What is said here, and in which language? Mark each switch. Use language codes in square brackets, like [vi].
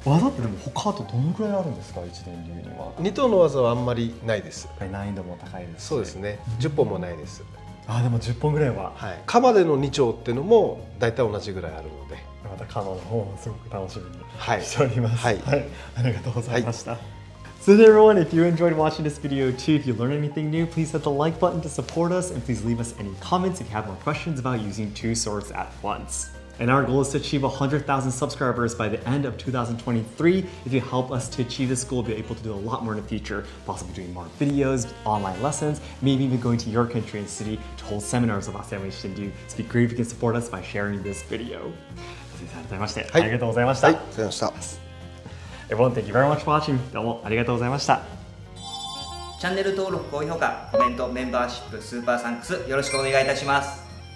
[ja] 技ってでも他あとどのくらいあるんですか、一年流には。 2頭の技はあんまりないです。やっぱり難易度も高いですね。そうですね。10本もないです。あ、でも10本ぐらいは。はい。鎌での2丁っていうのも大体同じぐらいあるので。またカノの方もすごく楽しみにしております、はいはい、ありがとうございました、はい。 [en] So there everyone, if you enjoyed watching this video too, if you learned anything new, please hit the like button to support us and please leave us any comments if you have more questions about using two swords at once. And our goal is to achieve 100,000 subscribers by the end of 2023. If you help us to achieve this goal, we'll be able to do a lot more in the future, possibly doing more videos, online lessons, maybe even going to your country and city to hold seminars about San Luis Shindu. It'd be great if you can support us by sharing this video. Everyone, thank you very much for watching. [ja] どうもありがとうございました。チャンネル登録、高評価、コメント、メンバーシップ、スーパーサンクス、よろしくお願いいたします。